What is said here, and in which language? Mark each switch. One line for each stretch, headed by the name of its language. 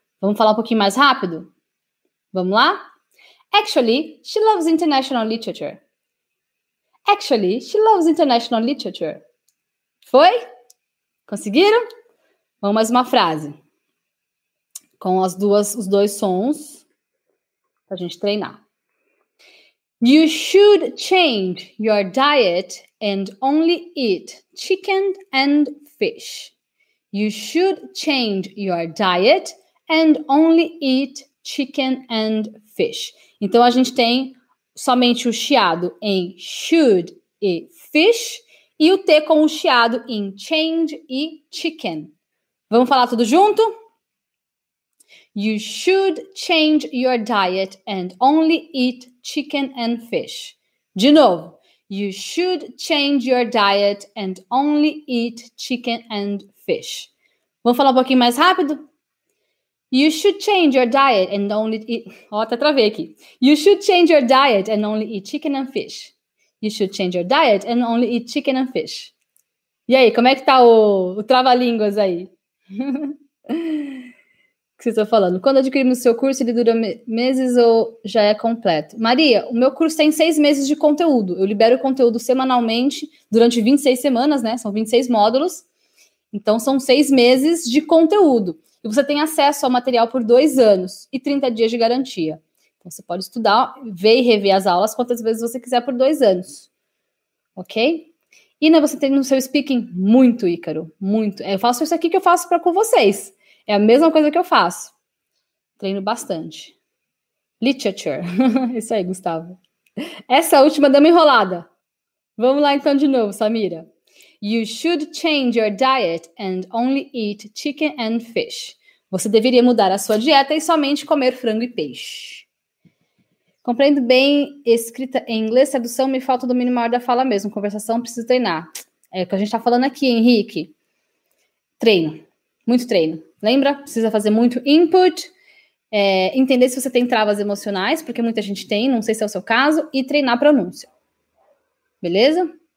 Portuguese: Vamos falar um pouquinho mais rápido? Vamos lá?
English: Actually, she loves international literature. Actually, she loves international literature.
Portuguese: Foi? Conseguiram? Vamos mais uma frase. Com as duas, os dois sons para a gente treinar.
English: You should change your diet and only eat chicken and fish. You should change your diet and only eat chicken and fish.
Portuguese: Então, a gente tem somente o chiado em should e fish e o T com o chiado em change e chicken. Vamos falar tudo junto?
English: You should change your diet and only eat chicken and fish.
Portuguese: De novo.
English: You should change your diet and only eat chicken and fish.
Portuguese: Vamos falar um pouquinho mais rápido?
English: You should change your diet and only eat...
Portuguese: Ó, até travei aqui.
English: You should change your diet and only eat chicken and fish. You should change your diet and only eat chicken and fish.
Portuguese: E aí, como é que tá o trava-línguas aí? Que vocês estão falando? Quando adquirimos o seu curso, ele dura meses ou já é completo? Maria, o meu curso tem 6 meses de conteúdo. Eu libero conteúdo semanalmente durante 26 semanas, né? São 26 módulos. Então, são 6 meses de conteúdo. E você tem acesso ao material por 2 anos e 30 dias de garantia. Então, você pode estudar, ver e rever as aulas quantas vezes você quiser por 2 anos. Ok? E, né, você tem no seu speaking muito, Ícaro. Muito. Eu faço isso aqui que eu faço para com vocês. É a mesma coisa que eu faço. Treino bastante. Literature. Isso aí, Gustavo. Essa última dá uma enrolada. Vamos lá então de novo, Samira.
English: You should change your diet and only eat chicken and fish.
Portuguese: Você deveria mudar a sua dieta e somente comer frango e peixe. Compreendo bem escrita em inglês, tradução, me falta o domínio maior da fala mesmo. Conversação, preciso treinar. É o que a gente está falando aqui, Henrique. Treino. Muito treino. Lembra? Precisa fazer muito input, entender se você tem travas emocionais, porque muita gente tem, não sei se é o seu caso, e treinar pronúncia. Beleza?